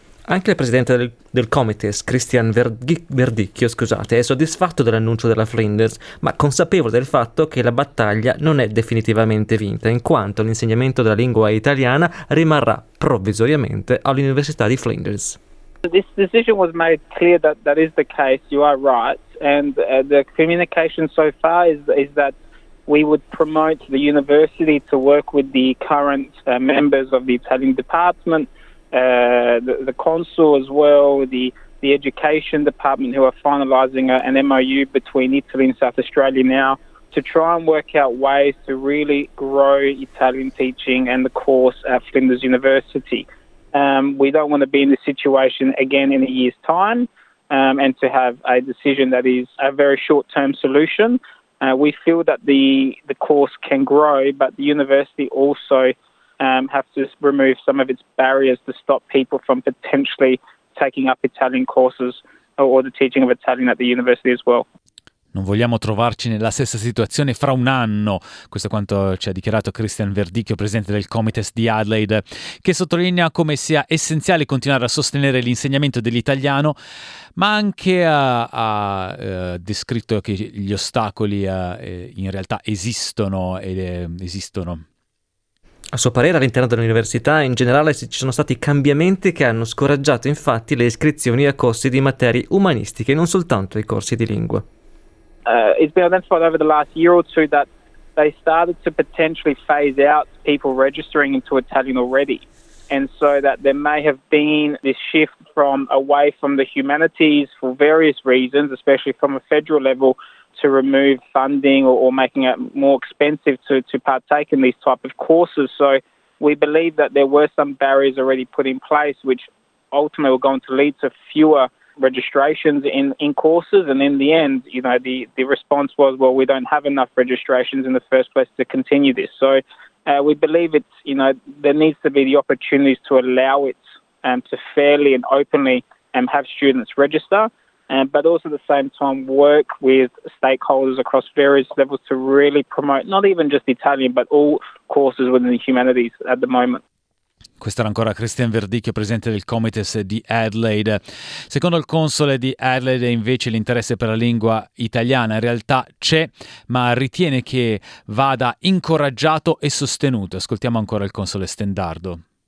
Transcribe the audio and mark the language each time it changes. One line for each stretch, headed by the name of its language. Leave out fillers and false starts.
Italian: Anche il presidente del Comites, Christian Verdicchio, è soddisfatto dell'annuncio della Flinders, ma consapevole del fatto che la battaglia non è definitivamente vinta, in quanto l'insegnamento della lingua italiana rimarrà provvisoriamente all'Università di Flinders.
English: This decision was made clear that that is the case, you are right, and the communication so far is that we would promote the university to work with the current members of the Italian department, the consul as well, the education department, who are finalizing an MOU between Italy and South Australia now to try and work out ways to really grow Italian teaching and the course at Flinders University. We don't want to be in this situation again in a year's time and to have a decision that is a very short-term solution. We feel that the course can grow, but the university also have to remove some of its barriers to stop people from potentially taking up Italian courses or the teaching of Italian at the university as well.
Italian: Non vogliamo trovarci nella stessa situazione fra un anno. Questo è quanto ci ha dichiarato Christian Verdicchio, presidente del Comites di Adelaide, che sottolinea come sia essenziale continuare a sostenere l'insegnamento dell'italiano, ma anche ha descritto che gli ostacoli in realtà esistono ed esistono. A suo parere, all'interno dell'università in generale ci sono stati cambiamenti che hanno scoraggiato infatti le iscrizioni a corsi di materie umanistiche, non soltanto ai corsi di lingua.
English: It's been identified over the last year or two that they started to potentially phase out people registering into Italian already, and so that there may have been this shift from away from the humanities for various reasons, especially from a federal level, to remove funding or making it more expensive to partake in these type of courses. So we believe that there were some barriers already put in place which ultimately were going to lead to fewer registrations in courses, and in the end, you know, the response was, well, we don't have enough registrations in the first place to continue this. So we believe it's, you know, there needs to be the opportunities to allow it to fairly and openly have students register, but also at the same time work with stakeholders across various levels to really promote not even just Italian but all courses within the humanities at the moment.
Italian: Questo era ancora Christian Verdicchio, presidente del Comites di Adelaide. Secondo il console di Adelaide, invece, l'interesse per la lingua italiana in realtà c'è, ma ritiene che vada incoraggiato e sostenuto. Ascoltiamo ancora il console Stendardo.